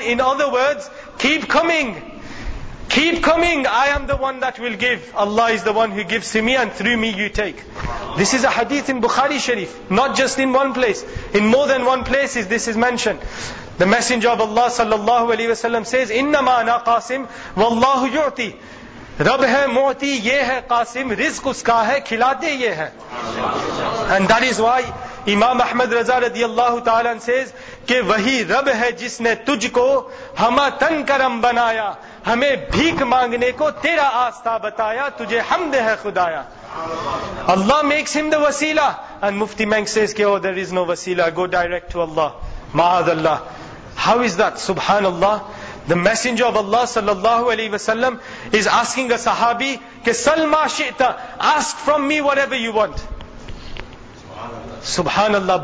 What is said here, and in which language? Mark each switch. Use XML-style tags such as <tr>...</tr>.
<en>In other words, keep coming. Keep coming, I am the one that will give. Allah is the one who gives to me and through me you take. This is a hadith in Bukhari Sharif, not just in one place. In more than one place this is mentioned. The Messenger of Allah sallallahu alayhi wa sallam says,</en> <ar>إِنَّمَا أَنَا قَاسِمْ وَاللَّهُ يُعْتِي.</ar> <ur>رب ہے معتی یہ ہے قاسم, رزق اس کا ہے کھلاتے یہ ہے.</ur> <en>And that is why Imam Ahmad Raza radiallahu ta'ala says,</en> <ur>کہ وہی رب ہے جس نے تجھ کو ہما تن کرم بنایا, ہمیں بھیک مانگنے کو تیرا آستہ بتایا, تجھے حمد ہے خدایا.</ur> <en>Allah makes him the wasila. And Mufti Mank says, کہ oh, there is no wasila, go direct to Allah. Ma'adallah. How is that? Subhanallah. The Messenger of Allah sallallahu alayhi wa sallam is asking a sahabi, ke salma shi'ta, ask from me whatever you want. Subhanallah.</en>